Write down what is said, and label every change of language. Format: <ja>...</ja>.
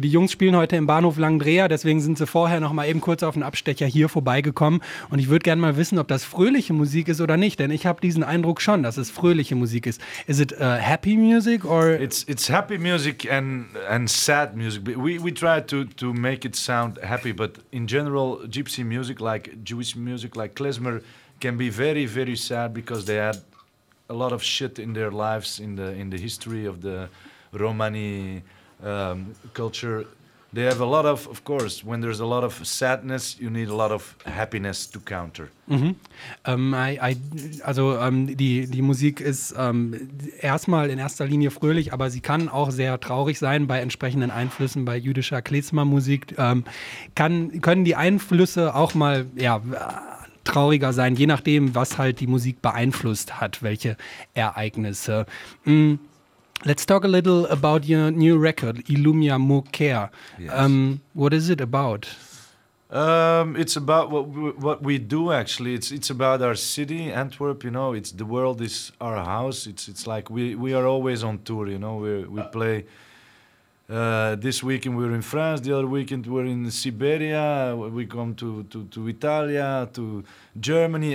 <de>Die Jungs spielen heute im Bahnhof Langdreher, deswegen sind sie vorher noch mal eben kurz auf den Abstecher hier vorbeigekommen. Und ich würde gerne mal wissen, ob das fröhliche Musik ist oder nicht, denn ich habe diesen Eindruck schon, dass es fröhliche Musik ist.</de> <en>Is it happy music or? It's happy music and sad music. We try to make it sound happy, but in general, Gypsy music, like Jewish music, like klezmer, can be very, very sad because they had a lot of shit in their lives in the history of the Romani culture. They have a lot of course, when there's a lot of sadness, you need a lot of happiness to counter. Mhm.</en> <de>Die Musik ist erstmal in erster Linie fröhlich, aber sie kann auch sehr traurig sein bei entsprechenden Einflüssen, bei jüdischer Klezmer-Musik. Können die Einflüsse auch mal, ja, trauriger sein, je nachdem, was halt die Musik beeinflusst hat, welche Ereignisse.</de> <en>Let's talk a little about your new record, Illumia Mukea. Yes. What is it about? It's about what we do, actually. It's about our city, Antwerp, you know. It's the world is our house. It's like we are always on tour, you know. We play. This weekend we were in France, the other weekend we were in Siberia, we come to Italia, to Germany.</en>